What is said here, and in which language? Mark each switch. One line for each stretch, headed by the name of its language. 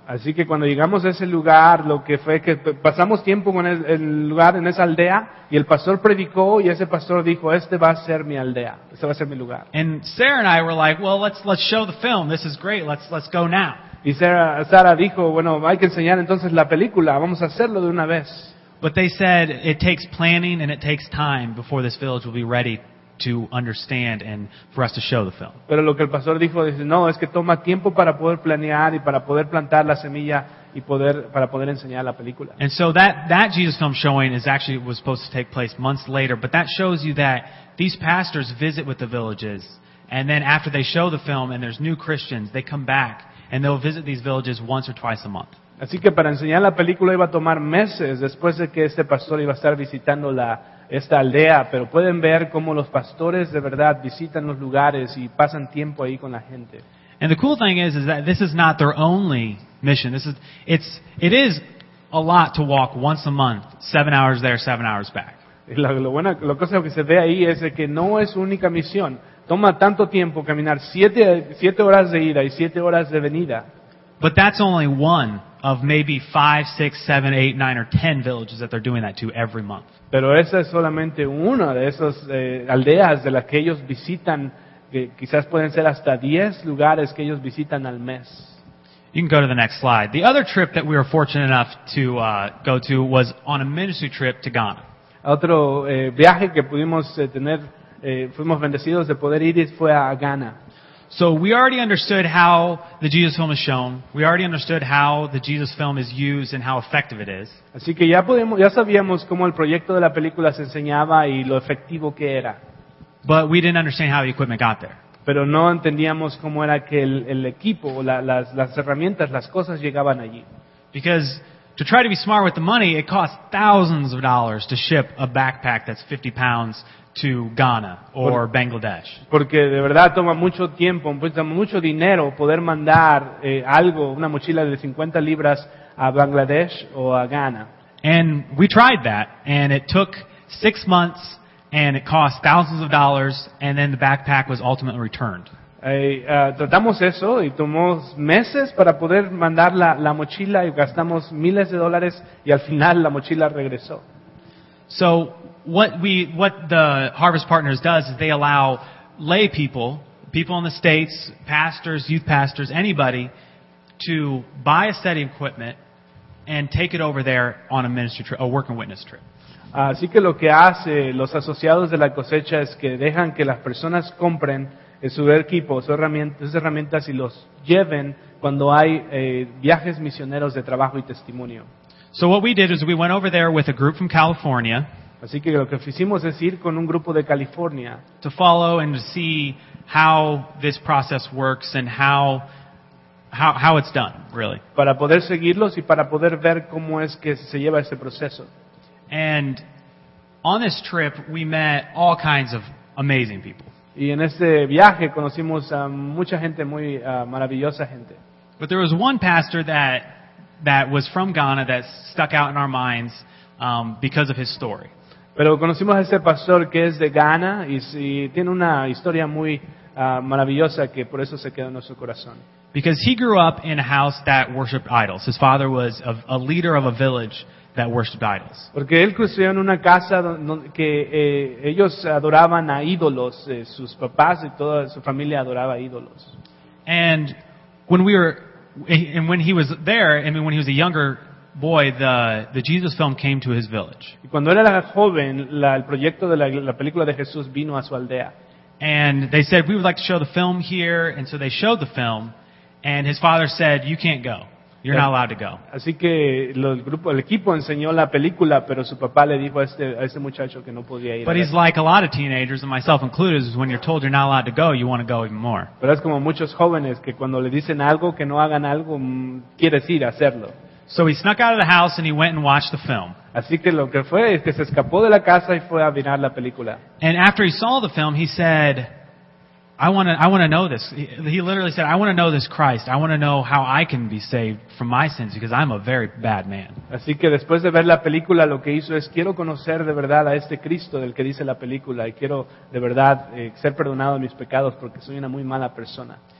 Spanish: Así que cuando llegamos a ese lugar, lo que fue que pasamos tiempo con el lugar en esa aldea, y el pastor predicó, y ese pastor dijo, "Este va a ser mi aldea. Este va a ser mi lugar."
English: And Sarah and I were like, "Well, let's show the film. This is great. Let's go now."
Spanish: Y Sara dijo, "Bueno, hay que enseñar entonces la película. Vamos a hacerlo de una vez."
English: But they said it takes planning and it takes time before this village will be ready to understand and for us to show the film.
Spanish: Pero lo que el pastor dijo dice, no, es que toma tiempo para poder planear y para poder plantar la semilla y para poder enseñar la película.
English: And so that Jesus film showing was supposed to take place months later, but that shows you that these pastors visit with the villages, and then after they show the film and there's new Christians, they come back and they'll visit these villages once or twice a month.
Spanish: Así que para enseñar la película iba a tomar meses después de que este pastor iba a estar visitando esta aldea, pero pueden ver cómo los pastores de verdad visitan los lugares y pasan tiempo ahí con la gente.
English: And the cool thing is that this is not their only mission. It is a lot to walk once a month, 7 hours there, 7 hours back.
Spanish: Lo cosa que se ve ahí es que no es única misión. Toma tanto tiempo caminar siete horas de ida y 7 horas de venida.
English: But that's only one of maybe 5, 6, 7, 8, 9, or 10 villages that they're doing that to every month.
Spanish: Pero esa es solamente una de esas aldeas de las que ellos visitan, que quizás pueden ser hasta 10 lugares que ellos visitan al mes.
English: You can go to the next slide. The other trip that we were fortunate enough to go to was on a ministry trip to Ghana.
Spanish: Otro viaje que pudimos tener, fuimos bendecidos de poder ir, fue a Ghana.
English: So we already understood how the Jesus film is shown. We already understood how the Jesus film is used and how effective it is.
Spanish: Así que ya sabíamos cómo el proyecto de la película se enseñaba y lo efectivo que era.
English: But we didn't understand how the equipment got there.
Spanish: Pero no entendíamos cómo era que el equipo, las herramientas, las cosas llegaban allí.
English: Because to try to be smart with the money, it costs thousands of dollars to ship a backpack that's 50 pounds to Ghana or Bangladesh.
Spanish: Porque de verdad toma mucho tiempo, cuesta mucho dinero poder mandar algo, una mochila de 50 libras a Bangladesh o a Ghana.
English: And we tried that, and it took 6 months, and it cost thousands of dollars, and then the backpack was ultimately returned.
Spanish: Tratamos eso y tomó meses para poder mandar la mochila y gastamos miles de dólares y al final la mochila regresó.
English: So what the Harvest Partners does is they allow lay people in the States, pastors, youth pastors, anybody, to buy a set of equipment and take it over there on a ministry trip, a work and witness trip.
Spanish: Así que lo que hace los asociados de la cosecha es que dejan que las personas compren su equipo, sus herramientas y los lleven cuando hay viajes misioneros de trabajo y testimonio.
English: So what we did is we went over there with a group from California.
Spanish: Así que lo que hicimos es ir con un grupo de California
English: to follow and to see how this process works and how it's done, really.
Spanish: Para poder seguirlos y para poder ver cómo es que se lleva este proceso.
English: And on this trip, we met all kinds of amazing people.
Spanish: Y en este viaje conocimos a mucha gente muy maravillosa gente.
English: But there was one pastor that was from Ghana that stuck out in our minds because of his story.
Spanish: Pero conocimos a este pastor que es de Ghana y tiene una historia muy maravillosa que por eso se quedó en nuestro corazón.
English: Because he grew up in a house that worshipped idols. His father was a leader of a village that worshipped idols.
Spanish: Porque él creció en una casa que ellos adoraban a ídolos. Sus papás y toda su familia adoraba ídolos.
English: And when we were, and when he was there, I mean, when he was a younger boy, the Jesus film came to his village.
Spanish: Y cuando él era joven, el proyecto de la película de Jesús vino a su aldea.
English: And they said, we would like to show the film here, and so they showed the film. And his father said, you can't go. You're not allowed to go.
Spanish: Así que el equipo enseñó la película, pero su papá le dijo a este muchacho que no podía ir.
English: But he's like a lot of teenagers, and myself included, is when you're told you're not allowed to go, you want to go even more.
Spanish: Pero es como muchos jóvenes que cuando le dicen algo, que no hagan algo, quieres ir a hacerlo.
English: So he snuck out of the house and he went and watched the film.
Spanish: Así que lo que fue es que se escapó de la casa y fue a mirar la película.
English: And after he saw the film, he said, I want to know this. He literally said, I want to know this Christ. I want to know how I can be saved from my sins because I'm a very bad man.
Spanish: Así que después de ver la película, lo que hizo es, quiero conocer de verdad a este Cristo del que dice la película y quiero de verdad ser perdonado de mis pecados porque soy una muy mala persona.